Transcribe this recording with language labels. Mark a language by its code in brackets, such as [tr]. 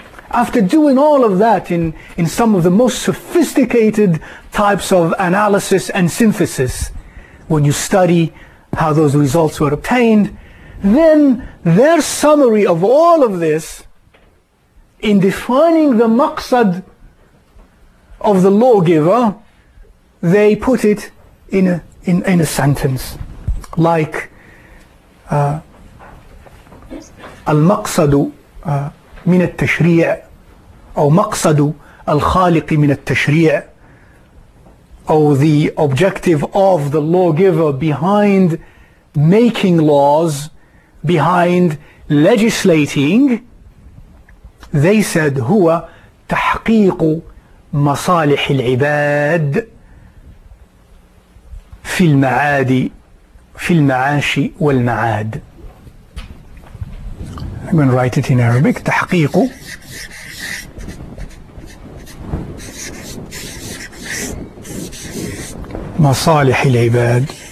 [en] After doing all of that in some of the most sophisticated types of analysis and synthesis, when you study how those results were obtained, then their summary of all of this in defining the maqsad of the lawgiver, they put it in a sentence like al-maqsadu min at-tashri'. [ar] أو مقصد الخالق من التشريع أو [en] the objective of the lawgiver behind making laws, behind legislating, they said [ar] هو تحقيق مصالح العباد في المعاد في المعاش والمعاد. [en] I'm going to write it in Arabic. [ar] تحقيق مصالح العباد.